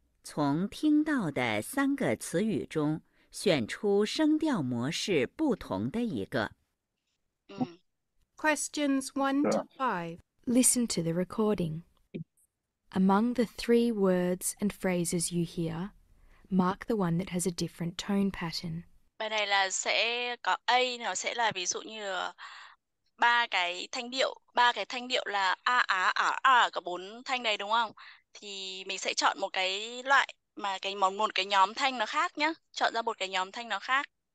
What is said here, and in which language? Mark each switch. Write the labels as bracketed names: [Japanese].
[Chinese] 从听到的三个词语中 选出声调模式不同的一个. [English] Questions 1 to 5. Listen to the recording. Among the three words and phrases you hear, mark the one that has a different tone pattern. [Vietnamese] Bài này là sẽ có A, nó sẽ là ví dụ như ba cái thanh điệu là a á ả a, có bốn thanh này đúng không? Thì mình sẽ chọn một cái loại mà cái một cái nhóm thanh nó khác nhá, chọn ra một cái nhóm thanh nó khác.